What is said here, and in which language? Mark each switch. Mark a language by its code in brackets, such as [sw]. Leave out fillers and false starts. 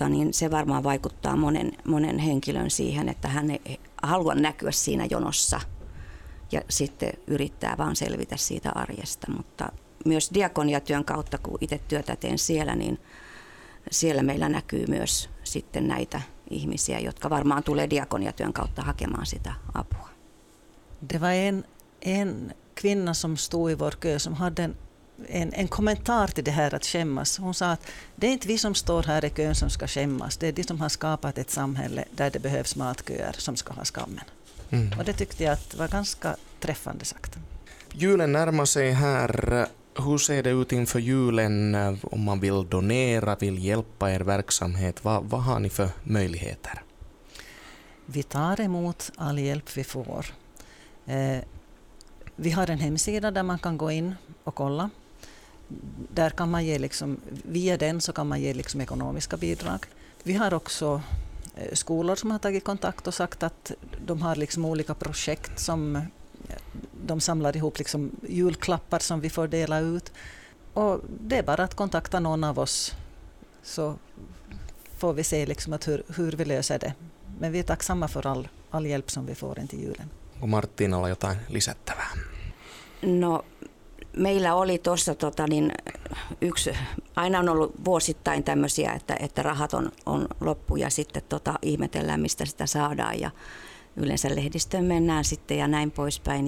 [fi] Se varmaan vaikuttaa monen henkilön siihen, että hän ei halua näkyä siinä jonossa. Ja sitten yrittää vaan selvitä siitä arjesta, mutta myös diakoniatyön kautta, kun itse työtä teen siellä, niin siellä meillä näkyy myös sitten näitä ihmisiä, jotka varmaan tulee diakoniatyön kautta hakemaan sitä apua. [sv] Det var en kvinna som stod i vår kö som hade en kommentar till det här att skämmas. Hon sa att det är inte vi som står här i kön som ska skämmas, det är de som har skapat ett samhälle där det behövs matköer som ska ha skammen. Mm. Och det tyckte jag att var ganska träffande sagt. Julen närmar sig här. Hur ser det ut inför julen om man vill donera, vill hjälpa er verksamhet? Vad har ni för möjligheter? Vi tar emot all hjälp vi får. Vi har en hemsida där man kan gå in och kolla. Där kan man ge liksom, via den så kan man ge liksom ekonomiska bidrag. Vi har också skolor som har tagit kontakt och sagt att de har liksom olika projekt som de samlar ihop, liksom julklappar som vi får dela ut. Och det är bara att kontakta någon av oss så får vi se liksom att hur vi löser det. Men vi är tacksamma för all hjälp som vi får in till julen. [fi] Onko Martinalla jotain lisättävää? No, meillä oli tuossa yksi, aina on ollut vuosittain tämmöisiä, että rahat on loppu ja sitten ihmetellään, mistä sitä saadaan ja yleensä lehdistöön mennään sitten ja näin poispäin.